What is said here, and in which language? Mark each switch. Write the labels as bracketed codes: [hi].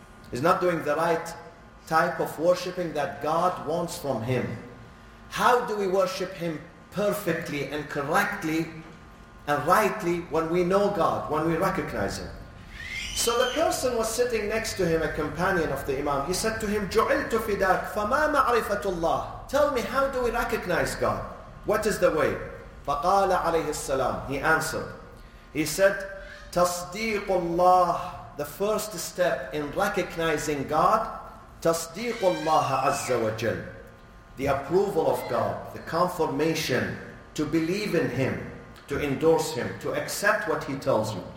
[en] He's not doing the right type of worshiping that God wants from him. How do we worship him perfectly and correctly and rightly when we know God, when we recognize him? So the person was sitting next to him, a companion of the Imam. He said to him, [ar] جُعِلْتُ فِدَاكْ فَمَا مَعْرِفَةُ اللَّهِ. [en] Tell me, how do we recognize God? What is the way? [ar] فَقَالَ عَلَيْهِ السَّلَامِ. [en] He answered. He said, [ar] تَصْدِيقُ اللَّهِ. [en] The first step in recognizing God, [ar] تَصْدِيقُ اللَّهَ عَزَّ وَجَلَّ. [en] The approval of God, the confirmation to believe in him, to endorse him, to accept what he tells you.